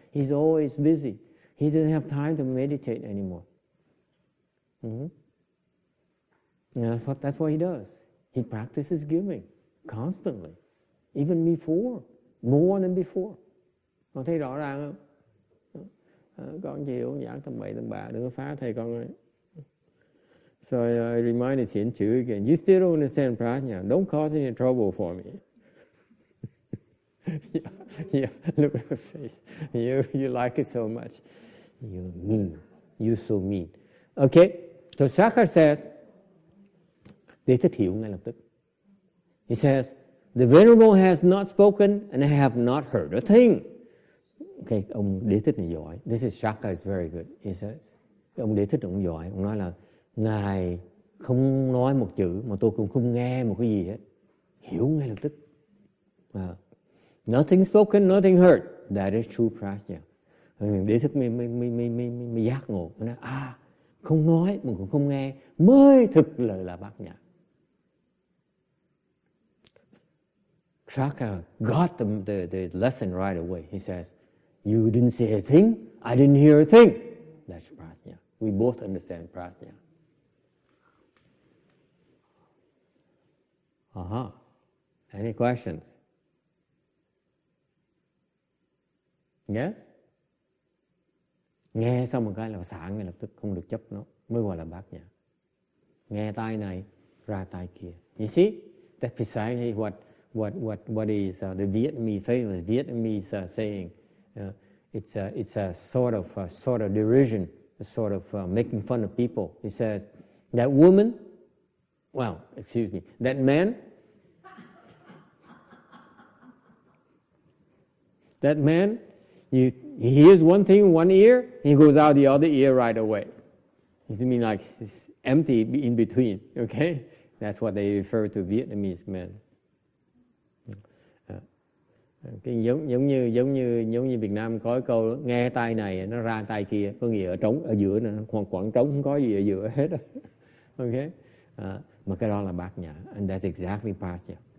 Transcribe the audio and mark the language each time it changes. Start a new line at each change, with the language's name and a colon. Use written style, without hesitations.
English: He's always busy. He doesn't have time to meditate anymore. Mm-hmm. That's what he does. He practices giving constantly, even before, more than before.
Vietnamese: Con thấy rõ ràng không? Con chịu giảng tầm bậy tầm bạ, đừng có phá thầy con ơi.
English: So I reminded Xin Chu again, you still don't understand prajna, don't cause any trouble for me. Yeah, look at her face. You like it so much. You're mean. You're so mean. Okay, so Sakhar says,
Vietnamese: để thích hiểu ngay lập tức.
English: He says, the Venerable has not spoken and I have not heard a thing.
Vietnamese: Okay, ông Đế Thích này giỏi.
English: This is Shaka is very good. He says,
Vietnamese: ông Đế Thích ông giỏi. Ông nói là, Ngài không nói một chữ mà tôi cũng không nghe một cái gì hết. Hiểu ngay lập tức.
English: Nothing spoken, nothing heard. That is true prajna.
Vietnamese: Đế Thích mới giác ngộ. Ông nói, không nói mà cũng không nghe. Mới thực là bát nhã.
English: Shaka got the lesson right away. He says, you didn't say a thing, I didn't hear a thing. That's prajna. We both understand prajna. Uh-huh. Any questions? Yes?
Vietnamese: Nghe xong một cái là xả ngay lập tức, không được chấp nó, mới gọi là bát nhã. Nghe tai này, ra tai kia.
English: You see? That's precisely what is the Vietnamese, famous Vietnamese saying. It's a sort of derision, a sort of making fun of people. He says, that man, he hears one thing in one ear, he goes out the other ear right away. He's mean like it's empty in between, okay? That's what they refer to Vietnamese men.
Vietnamese: Giống như Việt Nam có câu nghe tai này nó ra tai kia, có nghĩa ở trống ở giữa nữa, khoảng khoảng trống không có gì ở giữa hết. Ok, mà cái đó là bát nhã.
English: And that's exactly prajna.